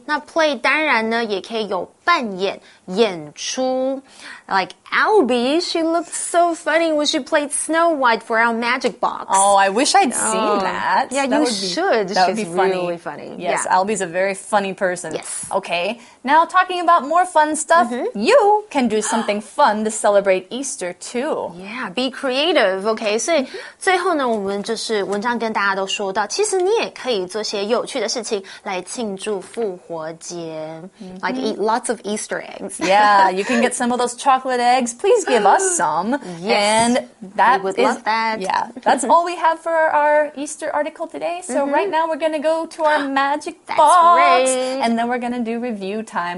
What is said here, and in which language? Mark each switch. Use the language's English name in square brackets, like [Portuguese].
[Chinese] 那 play 当然呢也可以有扮演演出 [English] Like Albie, she looked so funny when she played Snow White for our magic box. Oh, I wish I'd seen that. Yeah, you should. That would be funny. Really funny. Yes,、 yeah. Albie's a very funny person. Yes. Okay, now talking about more fun stuff,、 mm-hmm. you can do something fun to celebrate Easter too. Yeah, be creative, okay? [Chinese] 所以最后呢我们就是文章跟大家都说到其实你也可以做些有趣的事情来庆祝复活节、 mm-hmm. [English] Like eat lots of Easter eggs. Yeah, you can get some of those chocolate eggs. Please give us some. Yes, and that we would love that. Yeah, that's all we have for our Easter article today. So、 mm-hmm. right now we're going to go to our magic that's box. That's great. And then we're going to do review time.